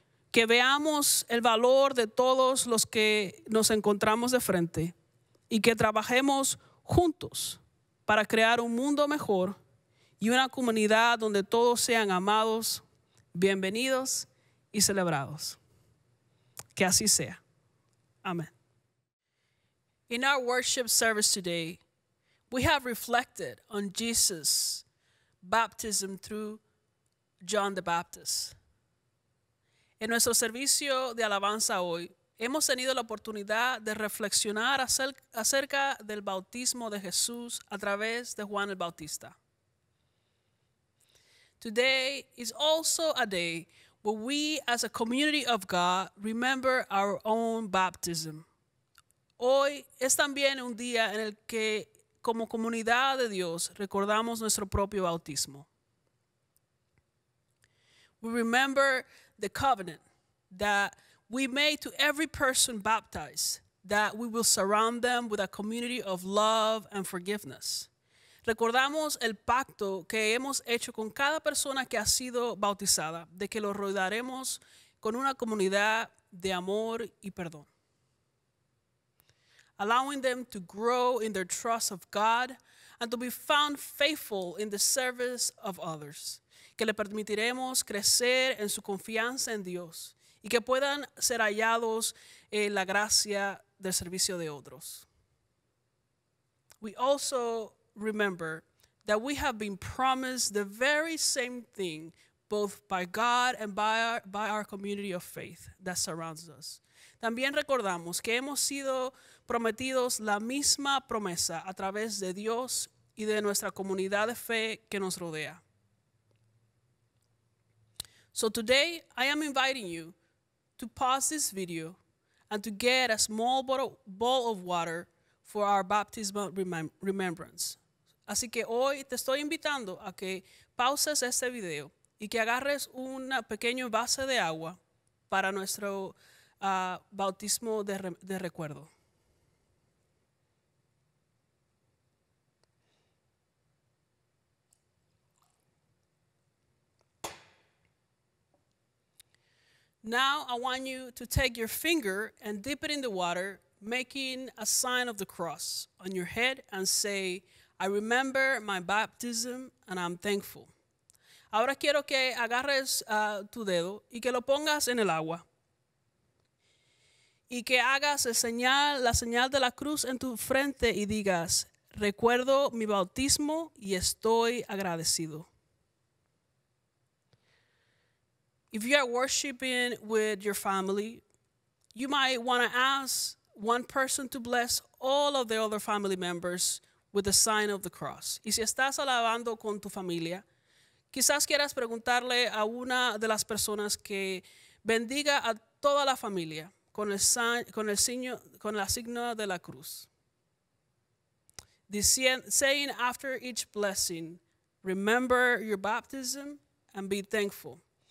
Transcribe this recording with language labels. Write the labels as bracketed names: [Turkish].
[Spanish] Que veamos el valor de todos los que nos encontramos de frente y que trabajemos juntos para crear un mundo mejor y una comunidad donde todos sean amados, bienvenidos y celebrados. Que así sea. Amen. [English] In our worship service today, we have reflected on Jesus' baptism through John the Baptist. [Spanish] En nuestro servicio de alabanza hoy, hemos tenido la oportunidad de reflexionar acerca del bautismo de Jesús a través de Juan el Bautista. [English] Today is also a day where we as a community of God remember our own baptism. [Spanish] Hoy es también un día en el que como comunidad de Dios recordamos nuestro propio bautismo. [English] We remember the covenant that we made to every person baptized, that we will surround them with a community of love and forgiveness. [Spanish] Recordamos el pacto que hemos hecho con cada persona que ha sido bautizada, de que lo rodearemos con una comunidad de amor y perdón. [English] Allowing them to grow in their trust of God and to be found faithful in the service of others. [Spanish] Que le permitiremos crecer en su confianza en Dios y que puedan ser hallados en la gracia del servicio de otros. [English] We also remember that we have been promised the very same thing both by God and by our community of faith that surrounds us. [Spanish] También recordamos que hemos sido prometidos la misma promesa a través de Dios y de nuestra comunidad de fe que nos rodea. [English] So today I am inviting you to pause this video and to get a small bowl of water for our baptismal remembrance. [Spanish] Así que hoy te estoy invitando a que pauses este video y que agarres un pequeño envase de agua para nuestro bautismo de recuerdo. [English] Now I want you to take your finger and dip it in the water, making a sign of the cross on your head and say, I remember my baptism and I'm thankful. [Spanish] Ahora quiero que agarres tu dedo y que lo pongas en el agua. Y que hagas la señal de la cruz en tu frente y digas, recuerdo mi bautismo y estoy agradecido. [English] If you are worshiping with your family, you might want to ask one person to bless all of the other family members with the sign of the cross. [Spanish] Y si estás alabando con tu familia, quizás quieras preguntarle a una de las personas que bendiga a toda la familia con la signo de la cruz. [English] Saying after each blessing, remember your baptism and be thankful.